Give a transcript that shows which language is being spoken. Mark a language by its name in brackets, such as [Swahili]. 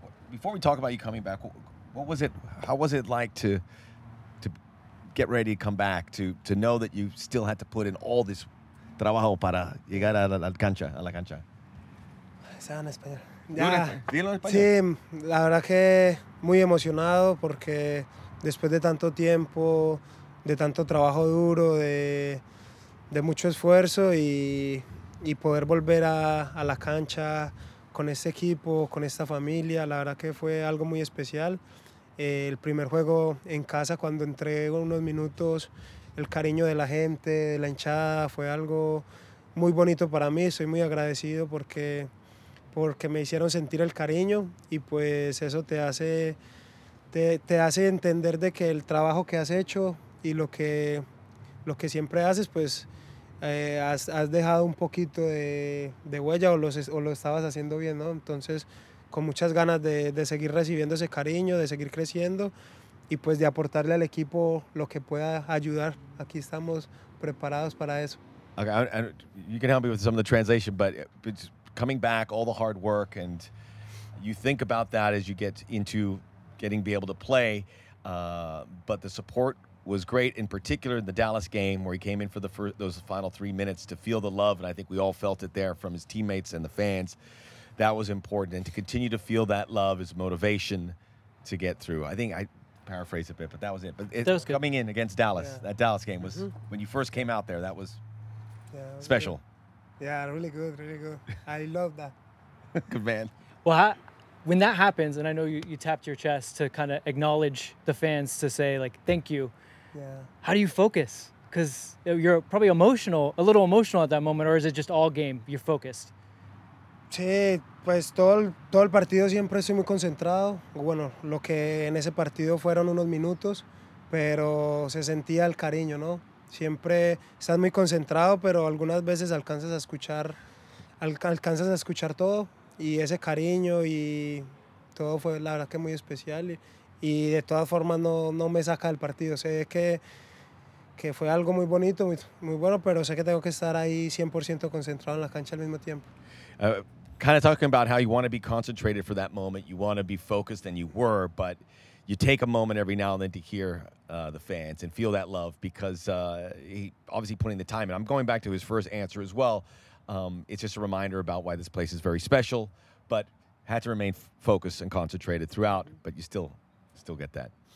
[English] Before we talk about you coming back, what was it? How was it like to get ready to come back? To know that you still had to put in all this [Spanish] trabajo para llegar a la cancha. Sean español. Ya. Dilo en español. Sí, la verdad que muy emocionado porque después de tanto tiempo. De tanto trabajo duro, de mucho esfuerzo y poder volver a la cancha con este equipo, con esta familia, la verdad que fue algo muy especial. El primer juego en casa, cuando entré unos minutos, el cariño de la gente, de la hinchada, fue algo muy bonito para mí. Estoy muy agradecido porque me hicieron sentir el cariño y pues eso te hace entender de que el trabajo que has hecho y lo que siempre haces, pues has dejado un poquito de huella o lo estabas haciendo bien, ¿no? Entonces, con muchas ganas de seguir recibiendo ese cariño, de seguir creciendo y pues de aportarle al equipo lo que pueda ayudar. Aquí estamos preparados para eso. [English] Okay, and you can help me with some of the translation, but it's coming back, all the hard work, and you think about that as you get into getting be able to play, but the support was great, in particular in the Dallas game where he came in for the those final 3 minutes to feel the love, and I think we all felt it there from his teammates and the fans. That was important, and to continue to feel that love is motivation to get through. I think I paraphrased a bit, but that was it. But it, that was good. Coming in against Dallas, yeah. That Dallas game was, mm-hmm. When you first came out there, that was, was special. Good. Yeah, really good, really good. I love that. Good man. Well, when that happens, and I know you tapped your chest to kind of acknowledge the fans to say, like, thank you. Yeah. How do you focus? Because you're probably emotional, a little emotional at that moment, or is it just all game? You're focused. [Spanish] Sí, pues todo el partido siempre estoy muy concentrado. Bueno, lo que en ese partido fueron unos minutos, pero se sentía el cariño, ¿no? Siempre estás muy concentrado, pero algunas veces alcanzas a escuchar todo y ese cariño y todo fue la verdad que muy especial. Y de todas formas no me saca del partido. Sé que fue algo muy bonito, muy, muy bueno, pero sé que tengo que estar ahí 100% concentrado en la cancha al mismo tiempo. [English] Kind of talking about how you want to be concentrated for that moment, you want to be focused, and you were, but you take a moment every now and then to hear the fans and feel that love because he obviously putting the time in. I'm going back to his first answer as well. It's just a reminder about why this place is very special, but had to remain focused and concentrated throughout, but you still get that.